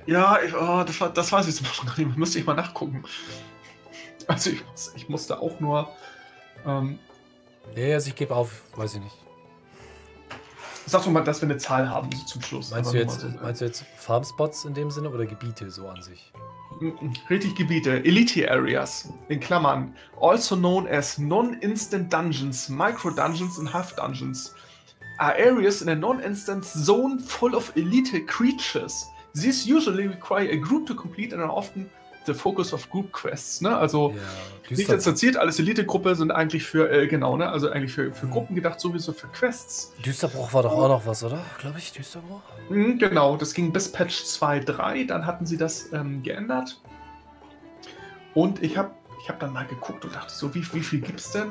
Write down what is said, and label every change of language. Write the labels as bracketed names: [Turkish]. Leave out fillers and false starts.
[German] Ja, das weiß ich zum Beispiel gar nicht, müsste ich mal nachgucken. Also ich musste auch nur, Ich gebe auf, weiß ich nicht. Sag doch mal, dass wir eine Zahl haben, so zum Schluss. Meinst du jetzt Farmspots in dem Sinne oder Gebiete so an sich? Richtig, Gebiete. Elite Areas, in Klammern. [English] Also known as Non-Instant Dungeons, Micro-Dungeons und Half-Dungeons. Are areas in a non-instant zone full of elite creatures. These usually require a group to complete and are often the focus of group quests. [German] Ne? Also nicht instanziert, alles Elite-Gruppe sind eigentlich für, für Gruppen gedacht, sowieso für Quests. Düsterbruch war doch auch noch was, oder? Glaube ich, Düsterbruch? Genau, das ging bis Patch 2.3, dann hatten sie das geändert. Und ich hab dann mal geguckt und dachte so, wie viel gibt's denn?